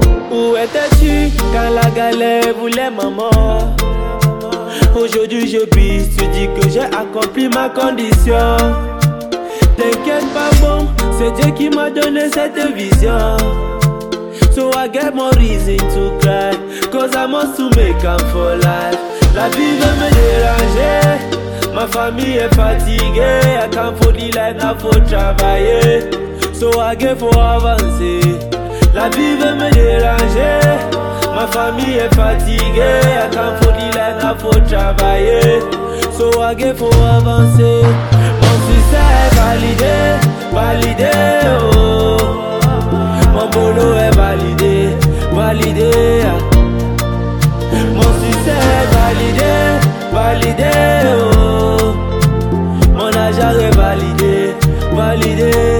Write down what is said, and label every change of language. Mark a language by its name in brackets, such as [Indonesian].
[French] Où étais-tu quand la galère voulait ma mort? Aujourd'hui je puis te dire que j'ai accompli ma condition. T'inquiète pas bon, c'est Dieu qui m'a donné cette vision. [English] So I get more reason to cry, cause I must to make up for life. [French] La vie veut me déranger, ma famille est fatiguée. [English] I can't for the life, not for travailler, so I get for avancer. [French] La vie veut me déranger, ma famille est fatiguée. [English] I can't for the life, not for travailler, so I get for avancer. [French] Mon succès est validé, validé, oh. Mon boulot est validé, validé. Mon succès est validé, validé, oh. Mon argent est validé, validé.